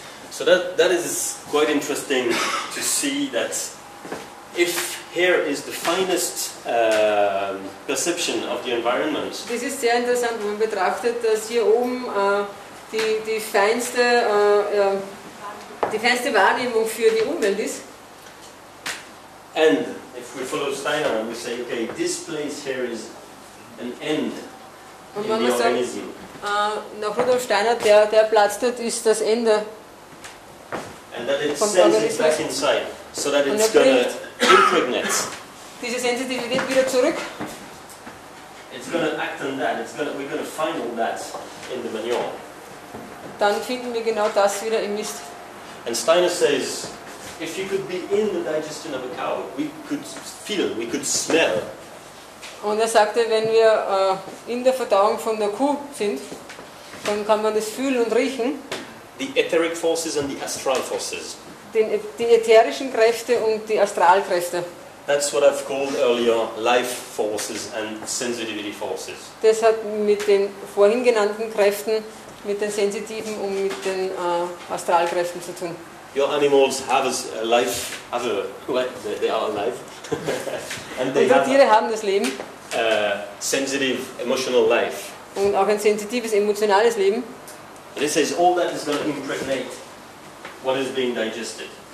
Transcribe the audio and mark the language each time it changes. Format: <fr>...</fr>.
<en>So that is quite interesting to see that if here is the finest perception of the environment.</en> <de>Das ist sehr interessant, wenn man betrachtet, dass hier oben die feinste Wahrnehmung für die Umwelt ist.</de> <en>And if we follow Steiner and we say, okay, this place here is an end in the organism.</en> <de>Und wenn man sagt, nach Rudolf Steiner, der Platz dort ist das Ende.</de> <en>And that it sends it back inside, so that it's gonna impregnate.</en> <de>Diese Sensitivität wieder zurück.</de> <en>It's gonna act on that. We're gonna find all that in the manure.</en> <de>Dann finden wir genau das wieder im Mist.</de> <en>And Steiner says, if you could be in the digestion of a cow, we could feel, we could smell.</en> <de>Und er sagte, wenn wir in der Verdauung von der Kuh sind, dann kann man das fühlen und riechen.</de> <en>The etheric forces and the astral forces.</en> <de>Die ätherischen Kräfte und die Astralkräfte.</de> <en>That's what I've called earlier life forces and sensitivity forces.</en> <de>Das hat mit den vorhin genannten Kräften, mit den sensitiven und mit den Astralkräften zu tun.</de> <en>Your animals have a life, have a, well, they are alive. And they have</en> <de>Tiere haben das Leben.</de> <en>A sensitive emotional life.</en> <de>Und auch ein sensitives emotionales Leben.</de> <en>And it says all that is going to impregnate what is being digested.</en>